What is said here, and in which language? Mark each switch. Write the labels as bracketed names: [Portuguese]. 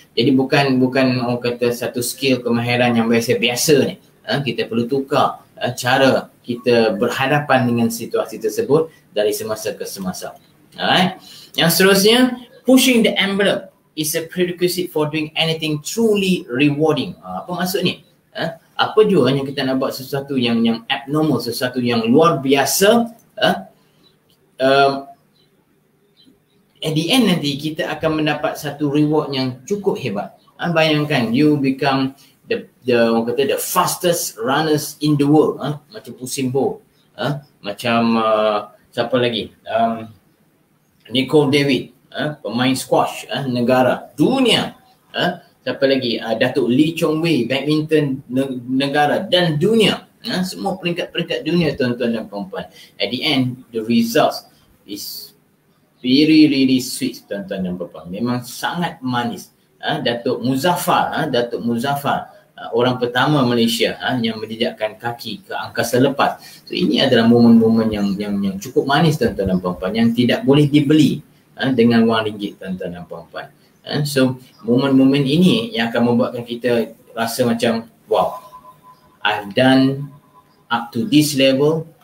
[Malay] Jadi bukan orang kata satu skill kemahiran yang biasa-biasa ni. Kita perlu tukar cara kita berhadapan dengan situasi tersebut dari semasa ke semasa. [English] Alright. [Malay] Yang seterusnya, [English] pushing the envelope is a prerequisite for doing anything truly rewarding. [Malay] Apa maksud ni? Apa juga yang kita nak buat sesuatu yang abnormal, sesuatu yang luar biasa, [English] at the end [Malay] nanti kita akan mendapat satu reward yang cukup hebat. Bayangkan, [English] you become the [Malay] orang kata [English] the fastest runners in the world, [Malay] macam Usain Bolt, macam siapa lagi? Nicole David, pemain squash negara dunia, siapa lagi, Datuk Lee Chong Wei, badminton negara dan dunia, semua peringkat-peringkat dunia, tuan-tuan dan puan-puan. [English] At the end, the results is very, really sweet, [Malay] tuan-tuan dan puan-puan. Memang sangat manis. Datuk Muzaffar, orang pertama Malaysia yang menjejakkan kaki ke angkasa lepas. So ini adalah momen-momen yang cukup manis, tuan-tuan dan puan-puan, yang tidak boleh dibeli dengan wang ringgit, tuan-tuan dan puan-puan. So momen-momen ini yang akan membuatkan kita rasa macam, wow, [English] I've done up to this level.